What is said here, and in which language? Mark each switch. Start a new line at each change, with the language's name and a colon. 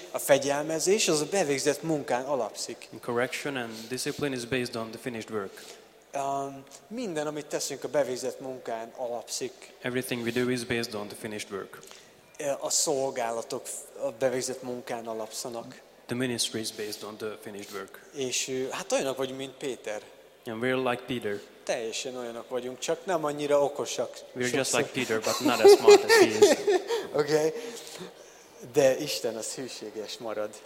Hungarian: A fegyelmezés az a bevégzett munkán alapszik.
English: And correction and discipline is based on the finished work.
Hungarian: Minden, amit teszünk a bevégzett munkán alapszik.
English: Everything we do is based on the finished work.
Hungarian: A szolgálatok a bevégzett munkán alapszanak.
English: The ministry is based on the finished work.
Hungarian: És hát olyanok vagyunk, mint Péter.
English: And we're like Peter.
Hungarian: Teljesen olyanok vagyunk, csak nem annyira okosak.
English: We're just like Peter, but not as smart as he is. Okay.
Hungarian: De Isten az hűséges marad.